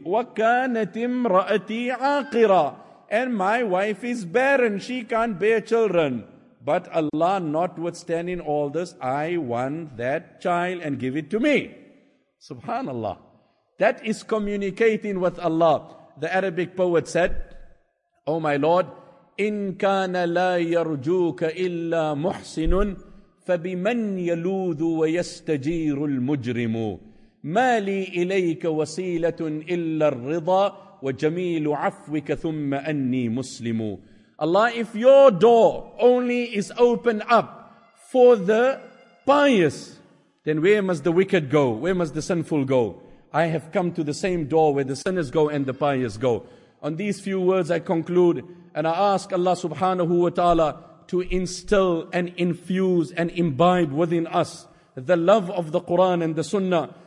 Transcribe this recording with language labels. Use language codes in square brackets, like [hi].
[ar] وَكَانَتِ امْرَأَتِي عَاقِرًا. [en] And my wife is barren, she can't bear children. But Allah, notwithstanding all this, I want that child and give it to me. Subhanallah. That is communicating with Allah. The Arabic poet said, O my Lord, [ar] إِن كَانَ لَا يَرْجُوكَ إِلَّا مُحْسِنٌ فَبِمَنْ يَلُوذُ وَيَسْتَجِيرُ الْمُجْرِمُ مَا لِي إِلَيْكَ وَسِيلَةٌ إِلَّا الرِّضَى وَجَمِيلُ عَفْوِكَ ثُمَّ أَنِّي مُسْلِمُ. [en] Allah, if your door only is open up for the pious, then where must the wicked go? Where must the sinful go? I have come to the same door where the sinners go and the pious go. On these few words I conclude, and I ask Allah subhanahu wa ta'ala to instill and infuse and imbibe within us the love of the Quran and the Sunnah.